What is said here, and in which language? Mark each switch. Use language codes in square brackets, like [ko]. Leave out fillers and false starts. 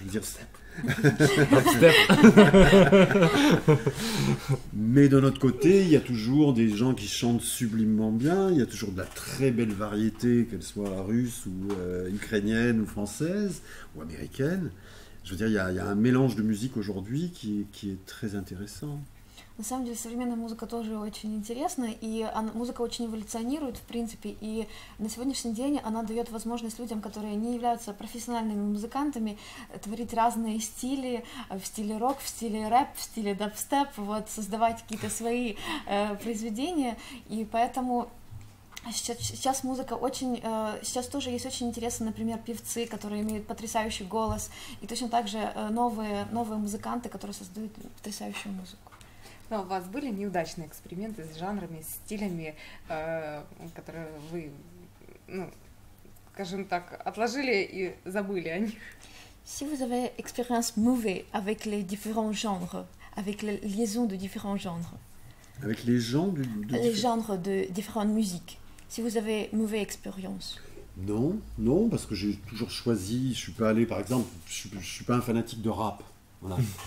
[fr] Je veux dire, Mais d'un autre côté, il y a toujours des gens qui chantent sublimement bien, il y a toujours de la très belle variété, qu'elle soit russe ou ukrainienne ou française ou américaine. Je veux dire, il y a un mélange de musique aujourd'hui qui est très intéressant. [ru] На самом деле, современная музыка тоже очень интересна, и музыка очень эволюционирует, в принципе, и на сегодняшний день она дает возможность людям, которые не являются профессиональными музыкантами, творить разные стили, в стиле рок, в стиле рэп, в стиле дабстеп, вот, создавать какие-то свои произведения, и поэтому сейчас музыка очень. Сейчас тоже есть очень интересные, например, певцы, которые имеют потрясающий голос, и точно так же новые музыканты, которые создают потрясающую музыку. Но у вас были неудачные эксперименты с жанрами, с стилями, которые вы, ну, скажем так, отложили и забыли о них? [fr] Si vous avez expérience mauvaise avec les différents genres, avec les liaisons de différents genres, Avec les gens de les genres de différentes musiques, si vous avez mauvaise expérience. Non, non, parce que j'ai toujours choisi, je suis pas allé, par exemple, je suis pas un fanatique de rap. Voilà.